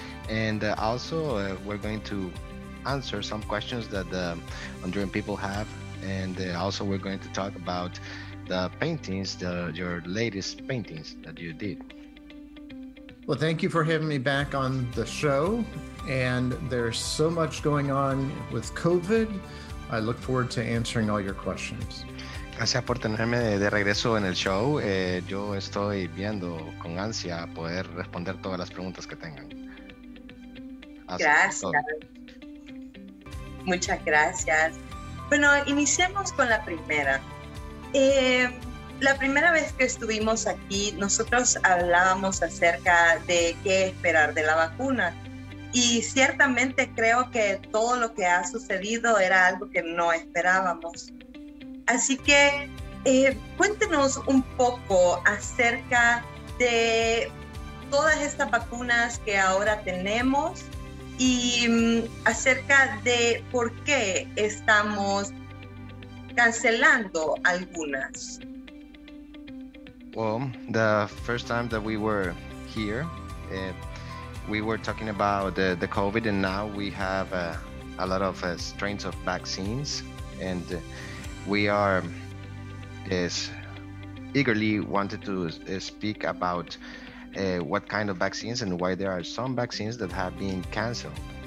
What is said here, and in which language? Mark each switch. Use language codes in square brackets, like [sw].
[en] And also, we're going to answer some questions that the Honduran people have, and also we're going to talk about the paintings, your latest paintings that you did. Well, thank you for having me back on the show, and there's so much going on with COVID. I look forward to answering all your questions. [es] Gracias por tenerme de regreso en el show. Yo estoy viendo con ansia poder responder todas las preguntas que tengan. Gracias. Muchas gracias. Bueno, iniciamos con la primera. La primera vez que estuvimos aquí, nosotros hablábamos acerca de qué esperar de la vacuna. Y ciertamente creo que todo lo que ha sucedido era algo que no esperábamos. Así que cuéntenos un poco acerca de todas estas vacunas que ahora tenemos y acerca de por qué estamos cancelando algunas. [en] Well, the first time that we were here, we were talking about the COVID, and now we have a lot of strains of vaccines, and we are eagerly wanted to speak about what kind of vaccines and why there are some vaccines that have been canceled.